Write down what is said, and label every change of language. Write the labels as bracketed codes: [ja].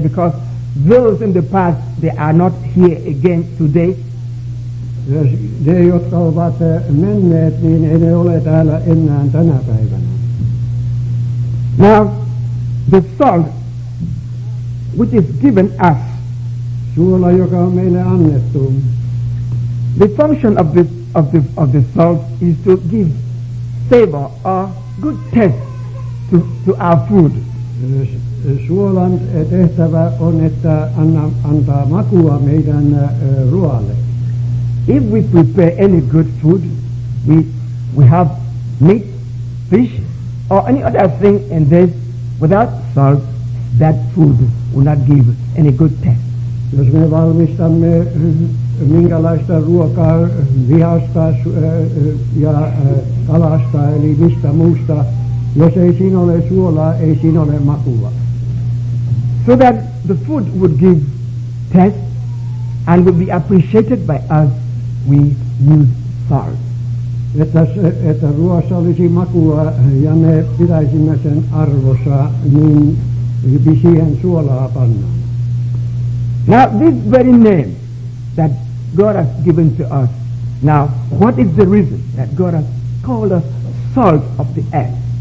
[en] Because those in the past, they are not here again today. [fi] Ne, jotka ovat menneet, niin ei ne ole täällä enää tänä päivänä. [en] Now, the salt which is given us, [fi] suola, joka on meille annettu, [en] the function of the salt is to give savor or good taste to our food. [fi] Suolan tehtävä on, että antaa makua meidän ruoalle. [en] If we prepare any good food, we have meat, fish, or any other thing in this, without salt, that food will not give any good taste. [fi] Jos me valmistamme minkälaista ruokaa vihasta ja kalasta, eli mistä muusta, jos ei siinä ole suolaa, ei siinä ole makua. [en] So that the food would give taste and would be appreciated by us, we use salt. [fi] Että ruoassa olisi makua ja me pitäisimme sen arvossa, niin siihen suolaa pannaan. [en] Now this very name that God has given to us, now what is the reason that God has called us salt of the earth?